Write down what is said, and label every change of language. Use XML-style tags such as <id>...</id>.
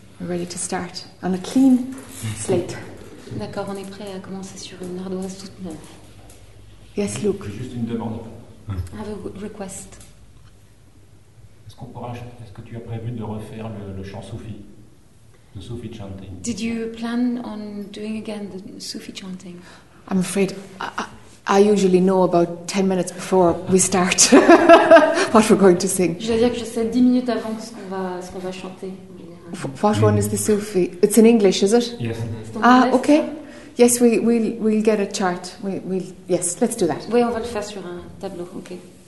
<en>We're ready to start on a clean slate.</en> <fr>D'accord, on est prêt à commencer sur une ardoise toute neuve.</fr> <en>Yes, Luke.</en> <fr>Juste une demande.</fr> <en>I have a request.</en> <fr>Est-ce qu'on pourra, est-ce que tu as prévu de refaire le chant soufi, le soufi chanting?</fr> <en>Did you plan on doing again the soufi chanting? I'm afraid I usually know about 10 minutes before we start what we're going to sing.</en> <fr>Je veux dire que je sais 10 minutes avant ce qu'on va chanter.</fr> <en>What one is the Sufi? It's in English, is it? Yes. Ah, okay. Yes, we'll get a chart. We'll yes, let's do that.</en> <fr>Oui, on va le faire sur un tableau, okay?</fr>